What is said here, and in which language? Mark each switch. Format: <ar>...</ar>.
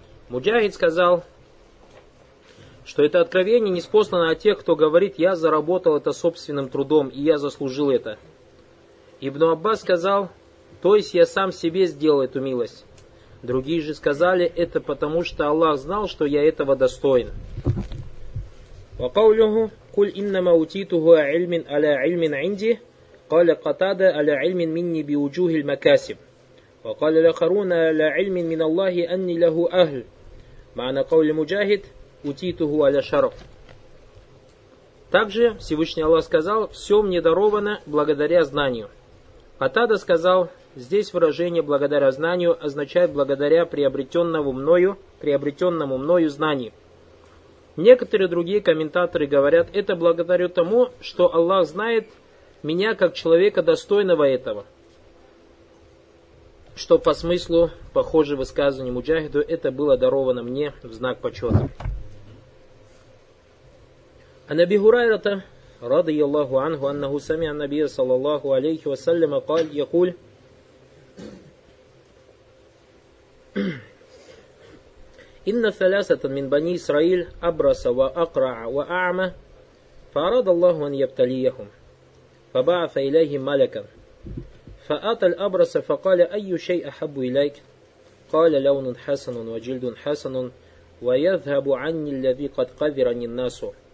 <ru>Муджахид сказал, что это откровение ниспослано от тех, кто говорит: я заработал это собственным трудом, и я заслужил это. Ибн Аббас сказал: то есть я сам себе сделал эту милость. Другие же сказали: это потому, что Аллах знал, что я этого достоин.</ru> <ar>وَقَوْلُهُ قُلْ إِنَّمَا أُوتِيتُهُ عِلْمٍ عَلَى عِلْمٍ عِنْدِي قَالَ قَتَادَةُ عَلَى عِلْمٍ مِنِّي بِوُجُوهِ الْمَكَاسِبِ وقال الآخرون على علم من الله أني له أهل معنى قول مجاهد أتيته على شرف.</ar> <ru>Также Всевышний Аллах сказал: все мне даровано благодаря знанию. Катада сказал: здесь выражение «благодаря знанию» означает благодаря приобретенному мною знанию. Некоторые другие комментаторы говорят: это благодарю тому, что Аллах знает меня как человека, достойного этого. Что по смыслу, похоже высказыванию Муджахиду, это было даровано мне в знак почета.</ru> <ar>Ан Аби Хурайрата, радийаллаху анху, аннаху самиа ан-набия, саллаллаху алейхи вассаляма, каль якуль: إن ثلاثة من بني إسرائيل أبرص وأقرع وأعمى فأراد الله أن يبتليهم فبعث إليهم ملكا فأتى الأبرص فقال: أي شيء أحب إليك؟ قال: لون حسن وجلد حسن ويذهب عني الذي قد قذرني الناس.</ar>